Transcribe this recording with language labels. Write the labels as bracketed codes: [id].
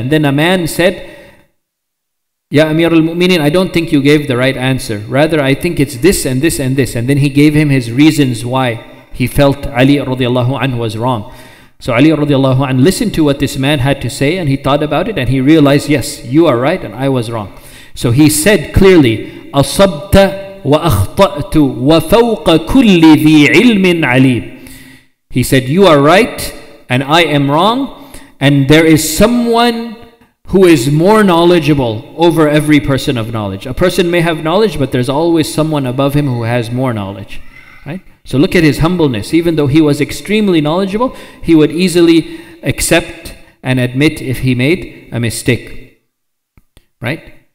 [en] And then a man said, Ya Amir al-Mu'mineen, I don't think you gave the right answer. Rather, I think it's this and this and this. And then he gave him his reasons why he felt Ali radiallahu anhu was wrong. So Ali radiallahu anhu listened to what this man had to say and he thought about it and he realized, yes, you are right and I was wrong. So he said clearly, [ar] أَصَبْتَ وَأَخْطَأْتُ وَفَوْقَ كُلِّ ذِي عِلْمٍ عَلِيمٍ. [en] He said, you are right and I am wrong and there is someone who is more knowledgeable over every person of knowledge. A person may have knowledge, but there's always someone above him who has more knowledge. Right? So look at his humbleness. Even though he was extremely knowledgeable, he would easily accept and admit if he made a mistake. Right?